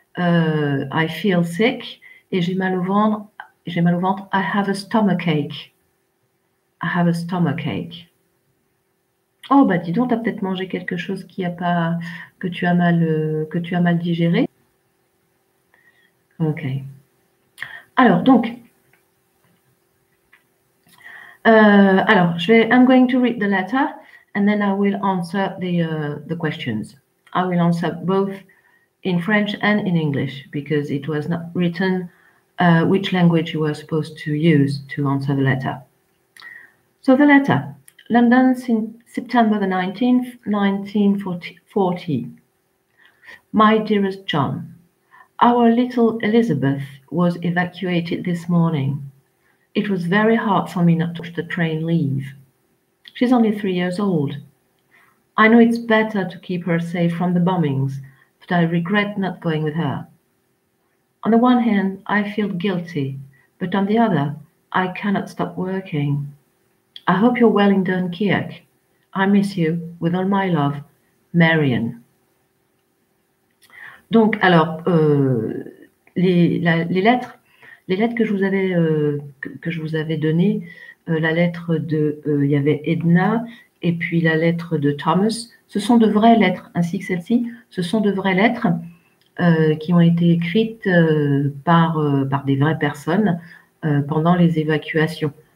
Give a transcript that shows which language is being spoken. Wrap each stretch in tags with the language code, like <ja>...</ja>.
<en>I feel sick.</en> <fr>Et j'ai mal au ventre.</fr> <en>I have a stomach ache. I have a stomach ache.</en> <fr>Oh, bah dis donc, t'as peut-être mangé quelque chose qui a pas que tu as mal digéré. Ok.</fr> <en>Alors, I'm going to read the letter and then I will answer the questions. I will answer both in French and in English because it was not written which language you were supposed to use to answer the letter. So the letter, London, September the 19th, 1940. My dearest John, our little Elizabeth was evacuated this morning. It was very hard for me not to watch the train leave. She's only 3 years old. I know it's better to keep her safe from the bombings, but I regret not going with her. On the one hand, I feel guilty, but on the other, I cannot stop working. I hope you're well in Dunkirk. I miss you with all my love, Marion.</en> <fr>Donc, alors, les lettres que je vous avais données, la lettre de, il y avait Edna, et puis la lettre de Thomas, ce sont de vraies lettres, ainsi que celle-ci, ce sont de vraies lettres qui ont été écrites par des vraies personnes pendant les évacuations.</fr>